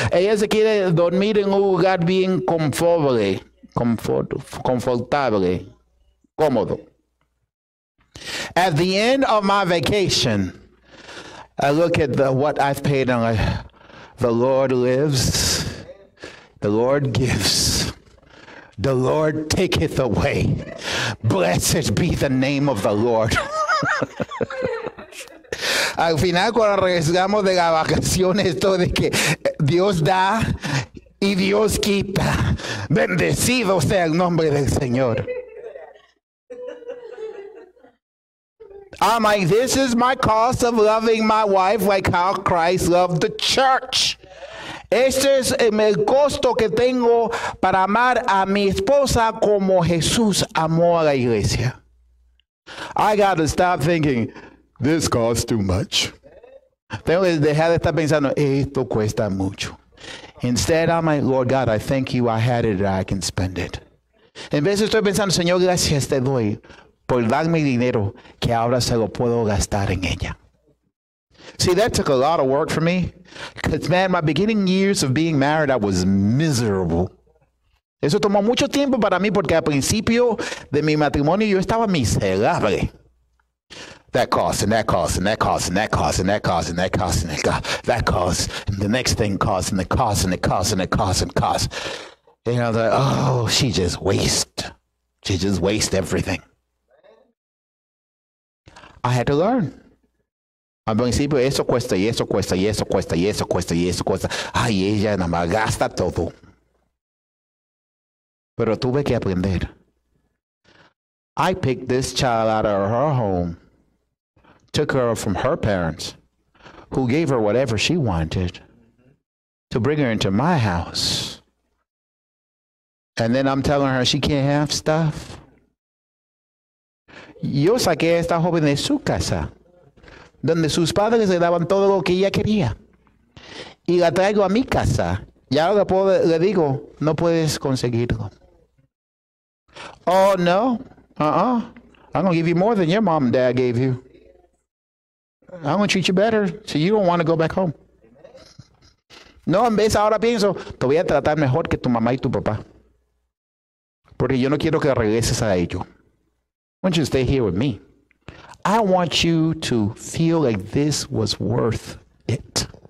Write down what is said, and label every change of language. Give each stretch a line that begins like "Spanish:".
Spanish: Ella se quiere dormir en un lugar bien confortable. Confortable. Cómodo.
English: At the end of my vacation, I look at what I've paid on. The Lord lives. The Lord gives. The Lord taketh away. Blessed be the name of the Lord.
Spanish: Al final, cuando regresamos de la vacación, esto de que Dios da y Dios quita. Bendecido sea el nombre del Señor.
English: I'm like, this is my cost of loving my wife like how Christ loved the church.
Spanish: Este es el costo que tengo para amar a mi esposa como Jesús amó a la iglesia.
English: I got to stop thinking, this costs too much.
Spanish: Tengo que dejar de estar pensando, esto cuesta mucho.
English: Instead, I'm like, Lord God, I thank you, I had it, I can spend it.
Spanish: En vez de estoy pensando, Señor, gracias te doy por darme dinero que ahora se lo puedo gastar en ella.
English: See, that took a lot of work for me. Because, man, my beginning years of being married, I was miserable.
Spanish: Eso tomó mucho tiempo para mí porque al principio de mi matrimonio yo estaba miserable.
English: That cost, and that cost, and that cost, and that cost, and that cost, and that cost, and that cost, and that cost, and the next thing cost, and the cost, and the cost, and the cost, and cost. And I was like, oh, she just waste. She just waste everything. I had to learn.
Spanish: Al principio, eso cuesta, y eso cuesta, y eso cuesta, y eso cuesta, y eso cuesta. Ay, ella nada más gasta todo. Pero tuve que aprender.
English: I picked this child out of her home, took her from her parents, who gave her whatever she wanted, to bring her into my house. And then I'm telling her she can't have stuff.
Spanish: Yo saqué a esta joven de su casa, donde sus padres le daban todo lo que ella quería. Y la traigo a mi casa. Y ahora le digo, no puedes conseguirlo. Oh, no.
English: I'm going to give you more than your mom and dad gave you. I'm going to treat you better, so you don't want to go back home.
Spanish: No, en vez ahora pienso, te voy a tratar mejor que tu mamá y tu papá. Porque yo no quiero que regreses a ello.
English: I want you to stay here with me. I want you to feel like this was worth it.